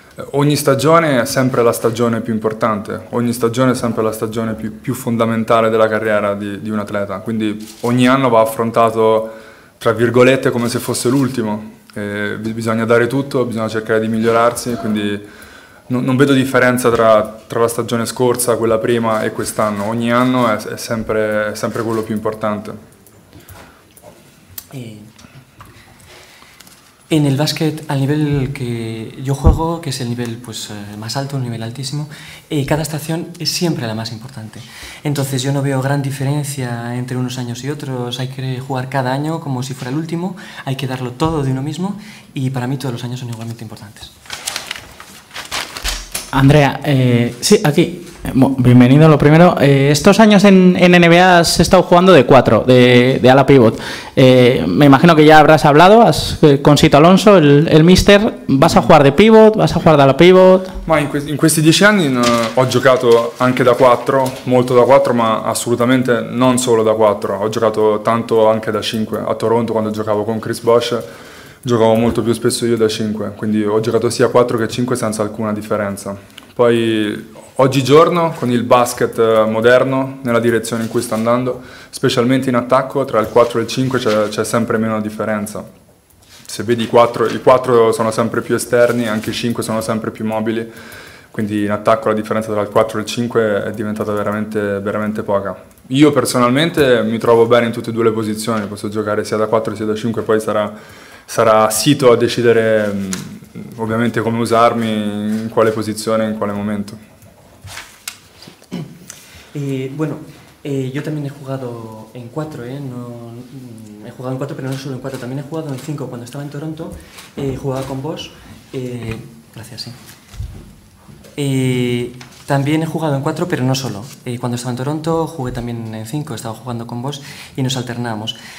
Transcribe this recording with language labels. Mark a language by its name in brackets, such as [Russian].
[Italian] Ogni stagione è sempre la stagione più importante, ogni stagione è sempre la stagione più fondamentale della carriera di un atleta, quindi ogni anno va affrontato, tra virgolette, come se fosse l'ultimo. Bisogna dare tutto, bisogna cercare di migliorarsi, quindi non vedo differenza tra la stagione scorsa, quella prima e quest'anno. Ogni anno è sempre quello più importante. [Spanish] En el básquet, al nivel que yo juego, que es el nivel pues, más alto, un nivel altísimo, cada estación es siempre la más importante. Entonces yo no veo gran diferencia entre unos años y otros. Hay que jugar cada año como si fuera el último, hay que darlo todo de uno mismo y para mí todos los años son igualmente importantes. Andrea, sí, aquí. Bueno, bienvenido, lo primero. Estos años en NBA has estado jugando de cuatro, de ala pívot. Me imagino que ya habrás hablado con Sito Alonso, el míster. ¿Vas a jugar de pívot? ¿Vas a jugar de ala pívot? [Italian] Ma in questi 10 anni ho giocato anche da 4, molto da 4, ma assolutamente non solo da 4. Ho giocato tanto anche da 5. A Toronto, quando giocavo con Chris Bosh, giocavo molto più spesso io da 5, quindi ho giocato sia 4 che 5 senza alcuna differenza. Poi, oggigiorno, con il basket moderno, nella direzione in cui sta andando, specialmente in attacco, tra il 4 e il 5 c'è sempre meno differenza. Se vedi, i 4 sono sempre più esterni, anche i 5 sono sempre più mobili, quindi in attacco la differenza tra il 4 e il 5 è diventata veramente, veramente poca. Io personalmente mi trovo bene in tutte e due le posizioni, posso giocare sia da 4 sia da 5, poi sarà Sito a decidere ovviamente come usarmi, in quale posizione, in quale momento. [Spanish] Yo también he jugado en 4, no, he jugado en 4, pero no solo en 4, también he jugado en 5 cuando estaba en Toronto, jugaba con Bosch, gracias, sí. También he jugado en 4, pero no solo. Cuando estaba en Toronto jugué también en 5, estaba jugando con Bosch y nos alternábamos.